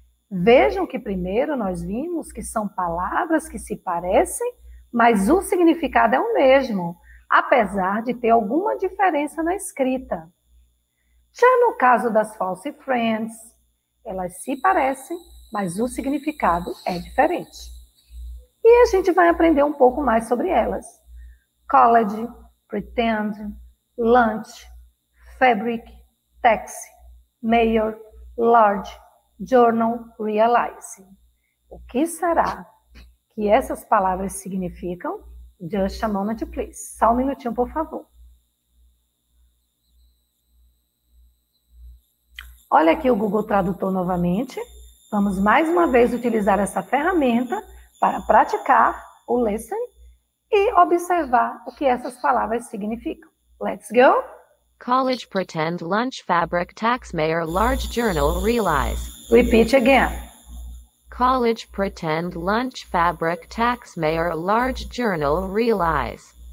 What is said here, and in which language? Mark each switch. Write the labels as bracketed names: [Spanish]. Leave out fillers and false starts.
[Portuguese] Vejam que primeiro nós vimos que são palavras que se parecem, mas o significado é o mesmo, apesar de ter alguma diferença na escrita. Já no caso das false friends, elas se parecem, mas o significado é diferente. E a gente vai aprender um pouco mais sobre elas. [English] College, pretend, lunch, fabric, taxi, mayor, large, journal, realize. [Portuguese] O que será que essas palavras significam? [English] Just a moment, please. [Portuguese] Só um minutinho, por favor. Olha aqui o Google Tradutor novamente. Vamos mais uma vez utilizar essa ferramenta para praticar o listen e observar o que essas palavras significam. [English] Let's go! College pretend lunch fabric tax mayor large journal realize. Repeat again. College pretend lunch fabric tax mayor large journal realize.